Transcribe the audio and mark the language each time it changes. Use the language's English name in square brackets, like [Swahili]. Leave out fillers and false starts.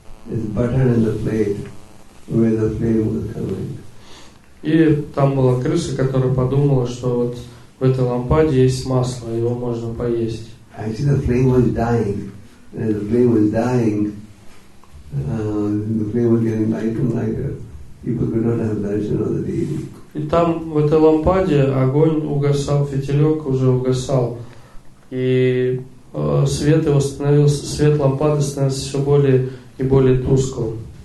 [English] It's butter in the plate where the flame was coming. [Russian] И там была крыса, которая подумала, что вот в этой лампаде есть масло, его можно поесть. [English] Actually, the flame was dying. And the flame was dying. The flame was getting lighter and lighter. People could not have darshan of the deity. [Russian] И там в этой лампаде огонь угасал, фитилек уже угасал, и свет его становился, свет лампады становился все более и более тусклым.